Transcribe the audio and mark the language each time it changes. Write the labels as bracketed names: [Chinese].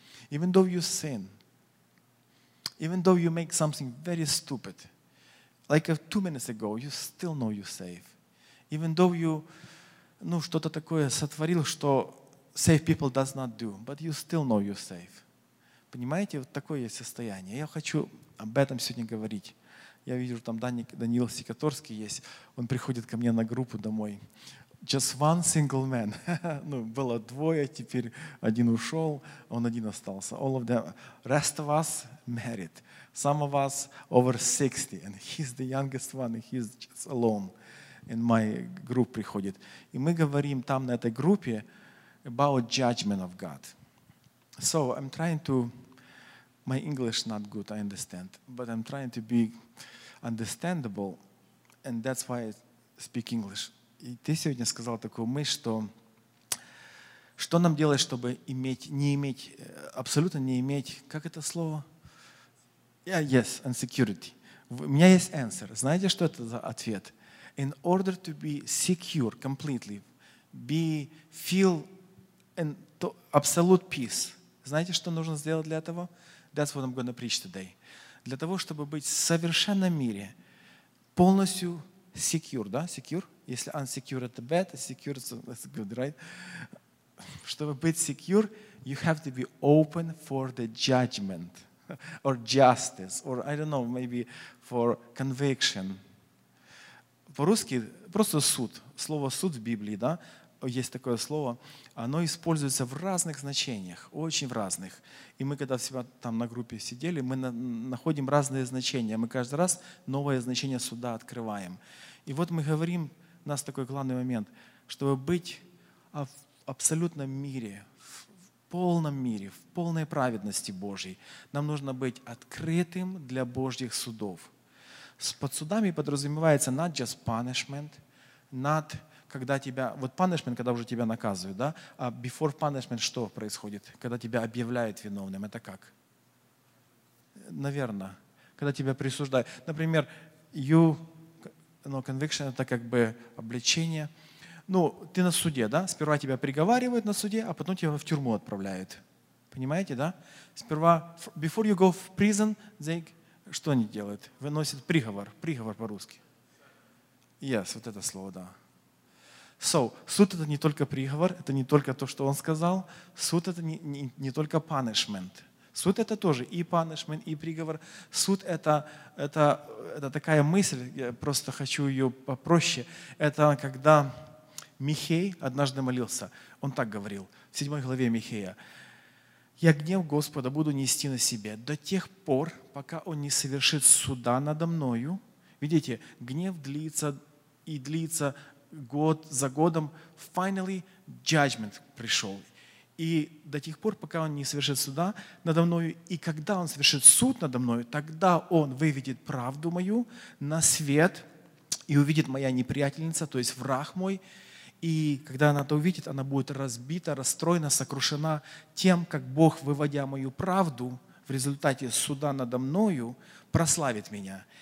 [English] Even though you sin, even though you make something very stupid, like 2 minutes ago, you still know you're safe. Even though you, [Russian] ну, что-то такое сотворил, что [English] safe people does not do, but you still know you're safe. [Russian] Понимаете, вот такое есть состояние. Я хочу об этом сегодня говорить. Я вижу, там Даниил Секаторский есть. Он приходит ко мне на группу домой. [English] Just one single man. [Russian] Ну, было двое, теперь один ушел, он один остался. [English] All of them. Rest of us married. Some of us over 60. And he's the youngest one, and he's just alone. In my group приходит. [Russian] И мы говорим там, на этой группе, [English] about judgment of God. So I'm trying to, my English not good, I understand, but I'm trying to be understandable, and that's why I speak English. [Russian] И ты сегодня сказал такую мысль, что нам делать, чтобы не иметь, как это слово? [English] Yeah, yes, insecurity. [Russian] У меня есть answer. Знаете, что это за ответ? [English] In order to be secure completely, feel in absolute peace. [Russian] Знаете, что нужно сделать для этого? [English] That's what I'm going to preach today. [Russian] Для того, чтобы быть в совершенном мире, полностью secure, да, secure? [English] Если unsecure – это bad, secure – это good, right? [Russian] Чтобы быть [English] secure, you have to be open for the judgment or justice or, I don't know, maybe for conviction. [Russian] По-русски просто суд. Слово «суд» в Библии, да? Есть такое слово, оно используется в разных значениях, очень в разных. И мы, когда всегда там на группе сидели, мы находим разные значения. Мы каждый раз новое значение суда открываем. И вот мы говорим, у нас такой главный момент, чтобы быть в абсолютном мире, в полном мире, в полной праведности Божьей, нам нужно быть открытым для Божьих судов. Под судами подразумевается [English] not just punishment, not [Russian] когда тебя, вот punishment, когда уже тебя наказывают, да? А before punishment что происходит? Когда тебя объявляют виновным, это как? Наверное, когда тебя присуждают. Например, conviction это как бы обличение. Ну, ты на суде, да? Сперва тебя приговаривают на суде, а потом тебя в тюрьму отправляют. Понимаете, да? [English] Сперва, before you go to prison, they, [Russian] что они делают? Выносят приговор. Приговор по-русски. Yes, вот это слово, да. So, суд — это не только приговор, это не только то, что он сказал. Суд — это не только punishment. Суд — это тоже и punishment, и приговор. Суд — это такая мысль, я просто хочу ее попроще. Это когда Михей однажды молился, он так говорил, в 7 главе Михея: «Я гнев Господа буду нести на себе до тех пор, пока Он не совершит суда надо мною». Видите, гнев длится и длится год за годом. [English] Finally, judgment пришел. [Russian] И до тех пор, пока Он не совершит суда надо мною, и когда Он совершит суд надо мною, тогда Он выведет правду мою на свет и увидит моя неприятельница, то есть враг мой. И когда она это увидит, она будет разбита, расстроена, сокрушена тем, как Бог, выводя мою правду в результате суда надо мною, прославит меня.